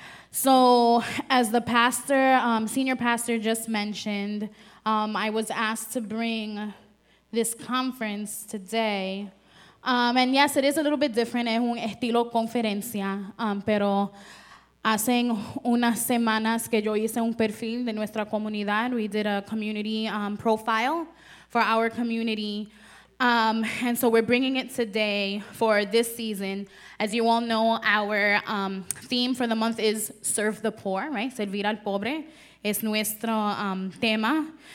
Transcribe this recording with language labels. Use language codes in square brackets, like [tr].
[en] So as the pastor, senior pastor just mentioned, I was asked to bring this conference today. And yes, it is a little bit different. [es] Es un estilo conferencia. Pero hacen unas semanas que yo hice un perfil de nuestra comunidad. [en] We did a community profile for our community. And so we're bringing it today for this season. As you all know, our theme for the month is Serve the Poor, right? [es] Servir al pobre es nuestro tema.